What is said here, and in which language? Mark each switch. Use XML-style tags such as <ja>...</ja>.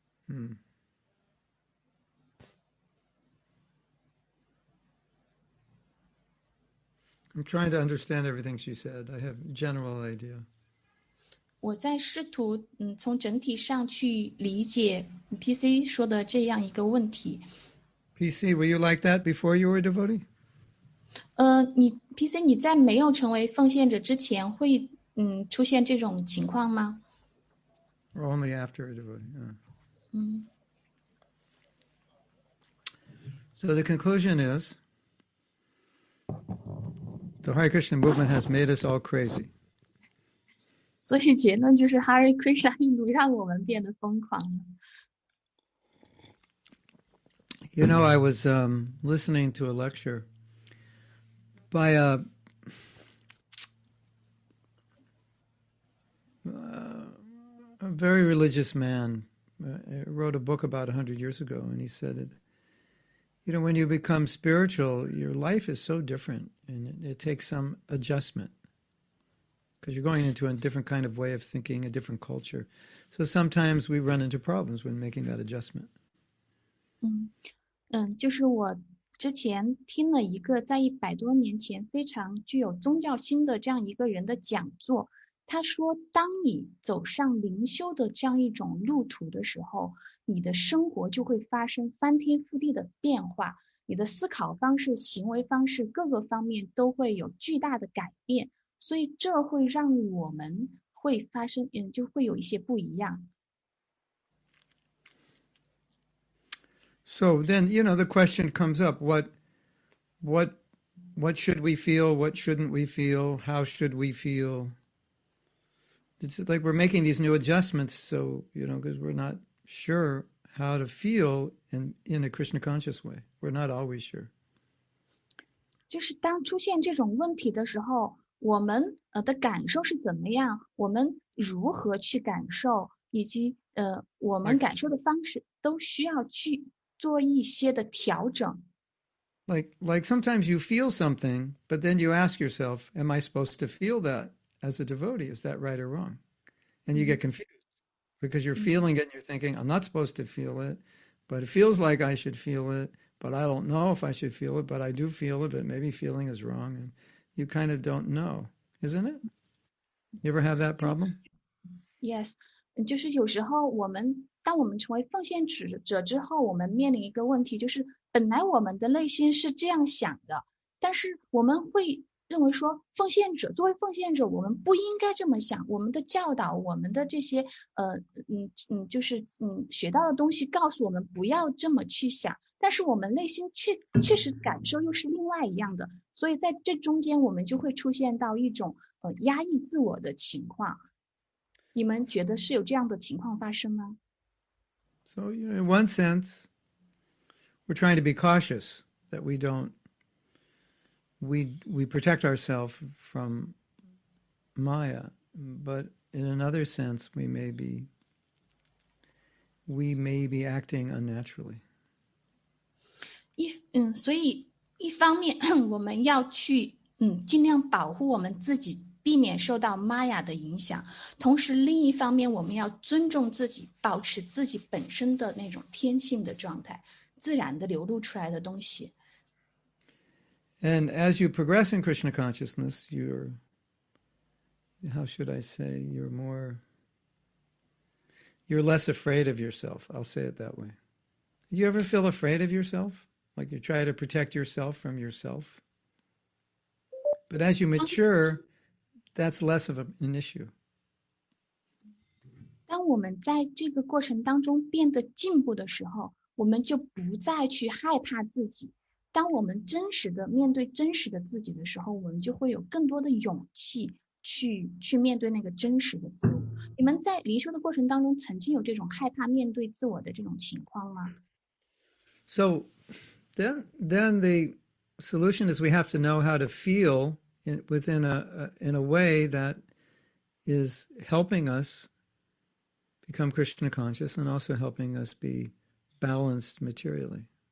<en>I'm trying to understand everything she said. I have a general idea.</en> <zh>我在试图从整体上去理解 PC 说的这样一个问题。</zh> <en>PC, were you like that before you were a devotee?</en> <zh>PC, 你在没有成为奉献者之前会出现这种情况吗？</zh> <en>Or only after a devotee, yeah. So the conclusion is, the Hare Krishna movement has made us all crazy.</en> <zh>所以结论就是 Hare Krishna 运动让我们变得疯狂了。</zh> <en>You know, I was listening to a lecture by a very religious man. Wrote a book about 100 years ago, and he said that, you know, when you become spiritual, your life is so different, and it takes some adjustment because you're going into a different kind of way of thinking, a different culture. So sometimes we run into problems when making that adjustment. Mm-hmm.</en> <zh>就是我之前听了一个在100多年前非常具有宗教心的这样一个人的讲座，他说当你走上灵修的这样一种路途的时候，你的生活就会发生翻天覆地的变化，你的思考方式、行为方式各个方面都会有巨大的改变，所以这会让我们会发生就会有一些不一样。</zh> <en>So then, you know, the question comes up, what should we feel? What shouldn't we feel? How should we feel? It's like we're making these new adjustments, so, you know, because we're not sure how to feel in a Krishna conscious way. We're not always sure.</en> <zh>就是当出现这种问题的时候，我们的感受是怎么样？我们如何去感受？以及我们感受的方式都需要去做一些的调整。</zh> <en>Like sometimes you feel something, but then you ask yourself, am I supposed to feel that as a devotee? Is that right or wrong? And you get confused because you're feeling it and you're thinking, I'm not supposed to feel it, but it feels like I should feel it, but I don't know if I should feel it, but I do feel it, but maybe feeling is wrong. And you kind of don't know, isn't it? You ever have that problem? Yes.</en> <zh>就是有时候我们当我们成为奉献者之后，我们面临一个问题，就是本来我们的内心是这样想的，但是我们会认为说，奉献者作为奉献者，我们不应该这么想。我们的教导，我们的这些就是学到的东西，告诉我们不要这么去想。但是我们内心确实感受又是另外一样的，所以在这中间，我们就会出现到一种压抑自我的情况。你们觉得是有这样的情况发生吗？</zh> <en>So, you know, in one sense, we're trying to be cautious that we don't, we protect ourselves from Maya. But in another sense, we may be acting unnaturally.</en> <zh>所以一方面我们要去尽量保护我们自己，避免受到 Maya 的影响，同时另一方面我们要尊重自己，保持自己本身的那种天性的状态，自然的流露出来的东西。</zh> <en>And as you progress in Krishna consciousness, you're, how should I say, you're less afraid of yourself, I'll say it that way. You ever feel afraid of yourself? Like you try to protect yourself from yourself? But as you mature, that's less of an issue.</en> <zh>当我们在这个过程当中变得进步的时候，我们就不再去害怕自己。当我们真实的面对真实的自己的时候，我们就会有更多的勇气去面对那个真实的自我。你们在灵修的过程当中曾经有这种害怕面对自我的这种情况吗？</zh> <en>So then the solution is we have to know how to feel within a way that is helping us become Krishna conscious and also helping us be balanced materially.</en>